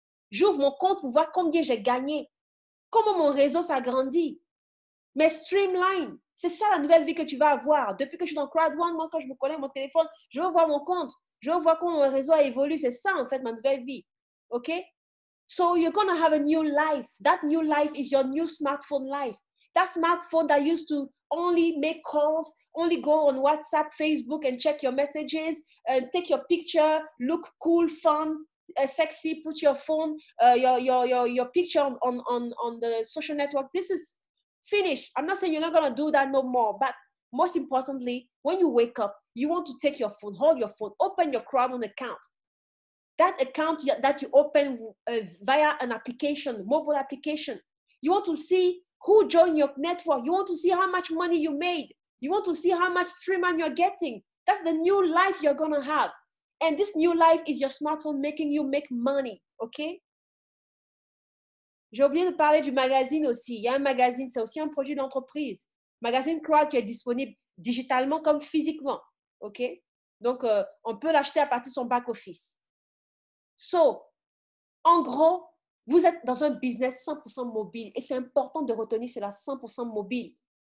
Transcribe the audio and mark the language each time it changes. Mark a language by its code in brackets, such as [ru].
[fr] J'ouvre mon compte pour voir combien j'ai gagné, comment mon réseau s'agrandit. Mais streamline, c'est ça la nouvelle vie que tu vas avoir. Depuis que je suis dans CrowdOne, moi, quand je me connecte mon téléphone, je veux voir mon compte. Je veux voir comment mon réseau a évolué. C'est ça, en fait, ma nouvelle vie. OK? [en] So you're gonna have a new life. That new life is your new smartphone life. That smartphone that used to only make calls, only go on WhatsApp, Facebook and check your messages, take your picture, look cool, fun, sexy, put your phone, your picture on the social network. This is finished. I'm not saying you're not gonna do that no more, but most importantly, when you wake up, you want to take your phone, hold your phone, open your CrowdOne account. That account that you open via an application, mobile application. You want to see who joined your network. You want to see how much money you made. You want to see how much streaming you're getting. That's the new life you're gonna have. And this new life is your smartphone making you make money, OK? [fr] J'ai oublié de parler du magazine aussi. Il y a un magazine, c'est aussi un produit d'entreprise. Magazine Crowd qui est disponible digitalement comme physiquement, OK? Donc, on peut l'acheter à partir de son back office. So, en gros, vous êtes dans un business 100% mobile et c'est important de retenir cela 100% mobile.